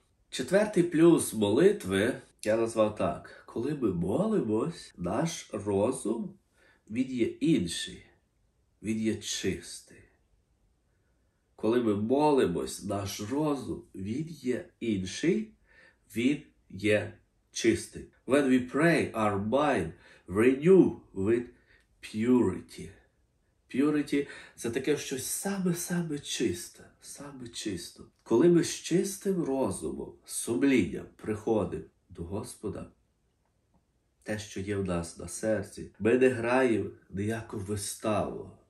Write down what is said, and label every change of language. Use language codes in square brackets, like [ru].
[uk] Четвертий плюс молитви я назвав так. Коли ми молимось, наш розум, він є інший. Він є чистий. Коли ми молимось, наш розум, він є інший, він є чистий. [en] When we pray, our mind renew with purity. [uk] Purity – це таке щось саме-саме чисте, саме чисто. Коли ми з чистим розумом, сумлінням приходимо до Господа, те, що є в нас на серці. Ми не граємо ніяку виставу.